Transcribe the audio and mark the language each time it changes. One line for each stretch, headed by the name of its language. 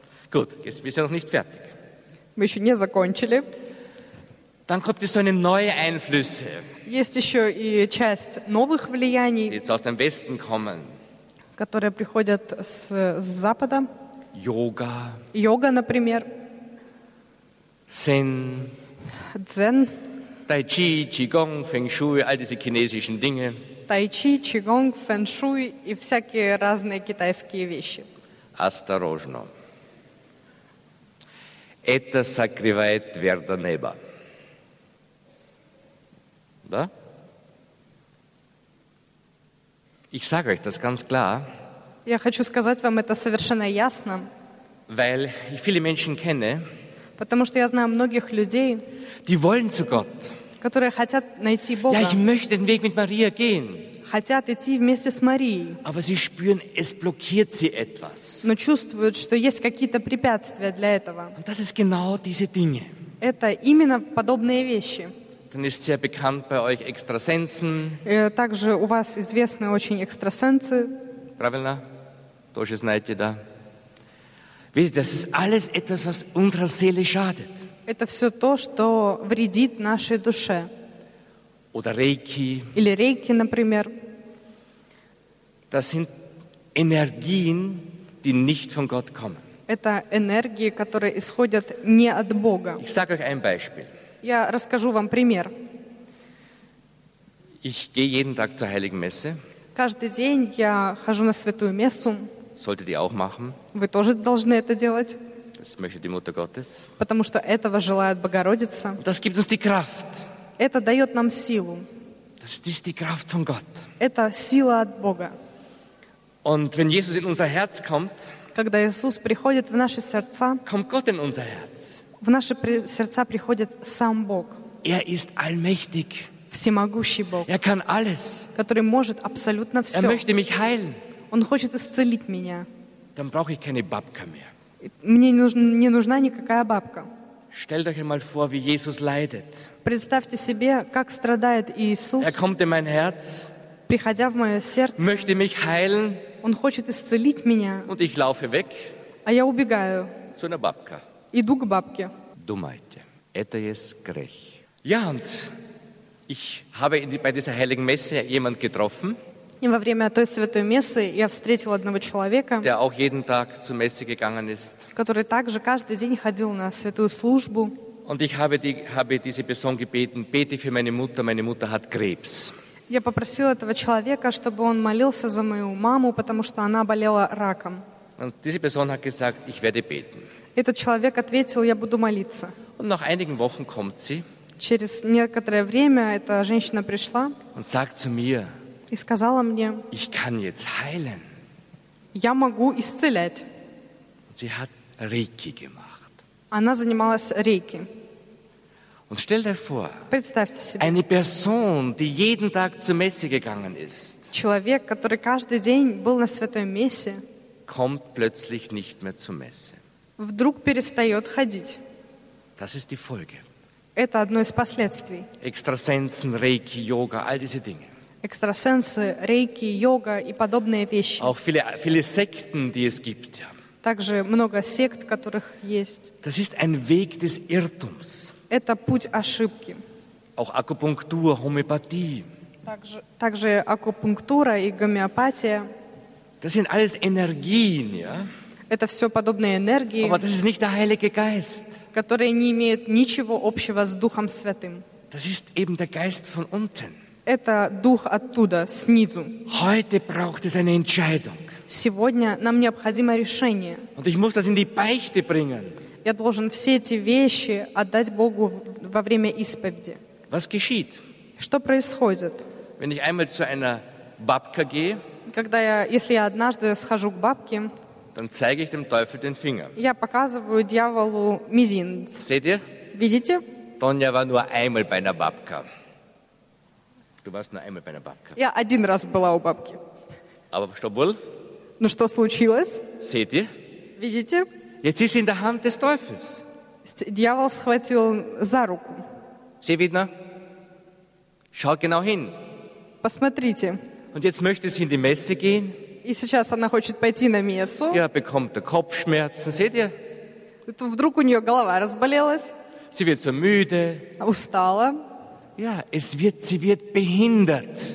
German: Gut, jetzt bist du noch nicht fertig.
Russian: Мы еще не закончили.
German: Dann kommt es so eine neue Einflüsse.
Russian: Есть еще и часть новых влияний.
German: Jetzt aus dem Westen kommen.
Russian: Которые приходят с Запада. Йога. Йога, например.
German: Zen.
Russian: Дзен.
German: Tai Chi, Qigong, Feng Shui, all diese chinesischen Dinge.
Russian: Tai Chi, Qigong, Feng Shui и всякие разные китайские вещи. Осторожно. Это сокрывает твердо небо. Да?
German: Ich sage euch das ganz klar.
Russian: Я хочу сказать вам это совершенно ясно.
German: Weil ich viele Menschen kenne.
Russian: Потому что я знаю многих людей.
German: Die wollen zu Gott.
Russian: Которые хотят найти Бога.
German: Ja, ich möchte den Weg mit Maria gehen.
Russian: Хотят идти вместе с Марией.
German: Aber sie spüren, es blockiert sie etwas.
Russian: Но чувствуют, что есть какие-то препятствия для этого.
German: Und das ist genau diese Dinge.
Russian: Это именно подобные вещи.
German: Dann ist sehr bekannt bei euch Extrasensen.
Russian: Также у вас известны очень экстрасенсы. Правильно? Тоже знаете, да? Видите,
German: das ist alles etwas, was unserer Seele schadet.
Russian: Это все то, что вредит нашей душе.
German: Oder Reiki.
Russian: Или Рейки, например.
German: Das sind Energien, die nicht von Gott kommen.
Russian: Это энергии, которые исходят не от Бога.
German: Ich sage euch ein Beispiel.
Russian: Я расскажу вам пример.
German: Ich gehe jeden Tag zur Heiligen Messe.
Russian: Каждый день я хожу на Святую Мессу.
German: Solltet ihr auch machen.
Russian: Вы тоже должны это делать.
German: Das möchte die Mutter Gottes.
Russian: Потому что этого желает Богородица.
German: Das gibt uns die Kraft.
Russian: Это дает нам силу.
German: Das ist die Kraft von Gott.
Russian: Это сила от Бога.
German: Und wenn Jesus in unser Herz kommt,
Russian: когда Иисус приходит в наши сердца,
German: kommt Gott in unser Herz.
Russian: В наши сердца приходит сам Бог.
German: Er ist allmächtig.
Russian: Всемогущий Бог.
German: Er kann alles.
Russian: Который может абсолютно все.
German: Er möchte mich heilen.
Russian: Он хочет исцелить меня.
German: Dann brauche ich keine Babka mehr.
Russian: Мне не нужна никакая бабка.
German: Stellt euch einmal vor, wie Jesus leidet.
Russian: Представьте себе, как страдает Иисус.
German: Er kommt in mein Herz,
Russian: приходя в мое сердце.
German: Möchte mich heilen,
Russian: он хочет исцелить меня.
German: Und ich laufe weg,
Russian: а я убегаю.
German: Zu einer Babka.
Russian: Иду к бабке. Думайте, это есть грех.
German: Ja, und ich habe bei dieser heiligen Messe jemand getroffen.
Russian: И во время той святой мессы я встретил одного человека,
German: der auch jeden Tag zur Messe gegangen ist.
Russian: Который также каждый день ходил на святую службу.
German: Und ich habe diese Person gebeten, bete für meine Mutter hat Krebs.
Russian: Я попросил этого человека, чтобы он молился за мою маму, потому что она болела раком.
German: Und diese Person hat gesagt, ich werde beten.
Russian: Этот человек ответил, я буду молиться.
German: Und nach einigen Wochen kommt sie.
Russian: Через некоторое время эта женщина пришла.
German: Und sagt zu mir.
Russian: И сказала мне,
German: ich kann jetzt heilen.
Russian: Я могу исцелять.
German: Sie hat Reiki gemacht.
Russian: Она занималась Рейки.
German: Und stell dir vor,
Russian: представьте себе,
German: eine Person, die jeden Tag zur Messe gegangen ist,
Russian: человек, который каждый день был на святой мессе,
German: kommt plötzlich nicht mehr zur Messe.
Russian: Вдруг перестает ходить.
German: Das ist die Folge.
Russian: Это одно из последствий.
German: Экстрасенсы, Рейки, йога, all diese Dinge.
Russian: Экстрасенсы, рейки, йога и подобные вещи.
German: Auch viele Sekten, die es gibt.
Russian: Также много сект, которых есть.
German: Das ist ein Weg des Irrtums.
Russian: Это путь ошибки.
German: Auch Akupunktur, Homöopathie.
Russian: Также акупунктура и гомеопатия.
German: Das sind alles Energien, ja?
Russian: Это все подобные энергии.
German: Aber das ist nicht der Heilige Geist.
Russian: Которые не имеют ничего общего с Духом Святым.
German: Das ist eben der Geist von unten.
Russian: Это дух оттуда, снизу.
German: Heute braucht es eine Entscheidung.
Russian: Сегодня нам необходимо решение.
German: Und ich muss das in die Beichte bringen.
Russian: Я должен все эти вещи отдать Богу во время исповеди.
German: Was geschieht?
Russian: Что происходит?
German: Wenn ich einmal zu einer Babka gehe,
Russian: если я однажды схожу к бабке,
German: dann zeige ich dem Teufel den Finger.
Russian: Я показываю дьяволу мизинец.
German: Seht ihr?
Russian: Видите?
German: Tonja war nur einmal bei einer Babka. Du warst nur einmal bei einer Babka.
Russian: Я один раз была у бабки.
German: Aber
Russian: что было? Ну что случилось?
German: Seht ihr?
Russian: Видите?
German: Jetzt ist sie in der Hand des Teufels.
Russian: Дьявол схватил за руку.
German: Seht ihr? Schaut genau hin.
Russian: Посмотрите.
German: Und jetzt möchte sie in die Messe gehen.
Russian: И сейчас она хочет пойти на мессу.
German: Ihr bekommt der Kopfschmerzen, seht ihr?
Russian: Вдруг у нее голова разболелась.
German: Sie wird so müde.
Russian: Устала.
German: Ja, es wird, sie wird behindert.